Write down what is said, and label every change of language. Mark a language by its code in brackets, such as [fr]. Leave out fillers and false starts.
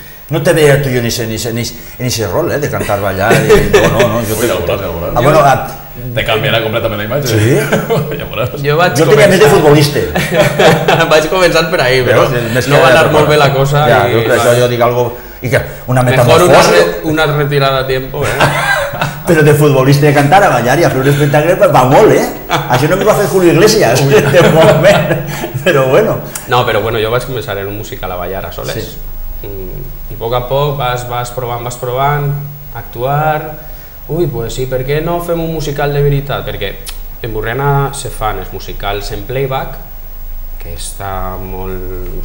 [ca] No te veia tu i jo en aquest rol, de cantar, ballar... Ja ho veuràs. Te canviarà completament la imatge. Sí? Ja ho veuràs. Jo tenia més de futbolista. Vaig començant per ahir, però no va anar molt bé la cosa. Ja, això jo dic algo... Una metamorfosa... [es] Mejor una retirada a tiempo, eh? [ca] Però de futbolista i a cantar, a ballar i a fer un espectacle, va molt, eh? Això no m'ho va fer Julio Iglesias, de moment. Però bueno... No, però bueno, jo vaig començar en un musical a ballar a soles. I a poc a poc vas provant, actuar... Ui, doncs sí, per què no fem un musical de veritat? Perquè en Burriana se fan els musicals en playback, que està molt...